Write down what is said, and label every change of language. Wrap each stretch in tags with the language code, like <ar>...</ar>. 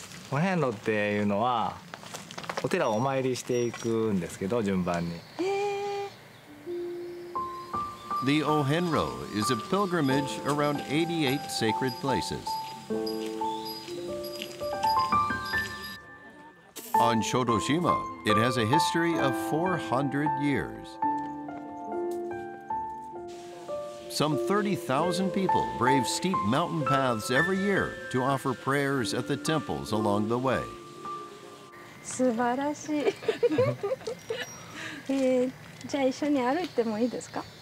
<ja>お遍路っていうのはお寺をお参りしていくんですけど、順番に。</ja> <en>The Ohenro is a pilgrimage around 88 sacred places. On Shodoshima, it has a history of 400 years. Some 30,000 people brave steep mountain paths every year to offer prayers at the temples along the way.</en> <ja>素晴らしい。じゃあ一緒に歩いてもいいですか？</ja>